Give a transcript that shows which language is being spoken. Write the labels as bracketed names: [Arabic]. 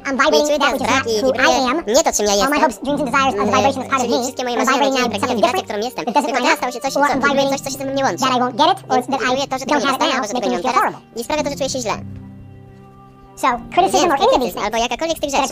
[English] I'm vibrating that which is not who I am. [Polish] Nie to, czym ja jestem. [English] All my hopes, dreams and desires are the vibration that's part of me. [Polish] Wszystkie moje marzenia, nadzieje i pragnienia, wibracja, którą jestem. Tylko teraz stało się coś, co wibruje coś, co się ze mną nie łączy. [English] That I won't get it, or that I don't have it, that makes me feel horrible. [Polish] I sprawia to, że czuję się źle. [English] So, criticism [Polish] więc, [English] or any of these things, [Polish] albo jakakolwiek z tych rzeczy,